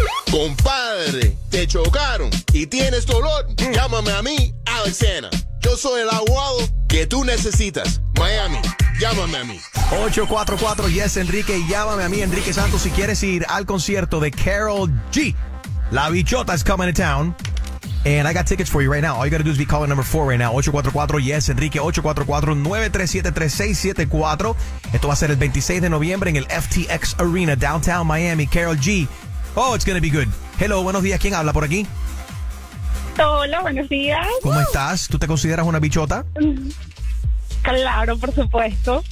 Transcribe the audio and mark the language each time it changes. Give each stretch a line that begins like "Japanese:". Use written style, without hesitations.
Spanish: Compadre, te chocaron y tienes dolor, llámame a mí, Alex Hanna. Yo soy el abogado que tú necesitas. Miami, llámame a mí. 844 Yes Enrique, llámame a mí, Enrique Santos, si quieres ir al concierto de Karol G.
English: La bichota is coming to town. And I got tickets for you right now. All you gotta do is be calling number 4 right now.
Spanish: 844 Yes Enrique, 844-937-3674. Esto va a ser el 26 de noviembre en el FTX Arena, Downtown Miami.
English: Karol G. Oh, it's going to be good. Hello,
Spanish: buenos días. ¿Quién habla por aquí? Hola, buenos días. ¿Cómo estás? ¿Tú te consideras una bichota? Claro, por supuesto.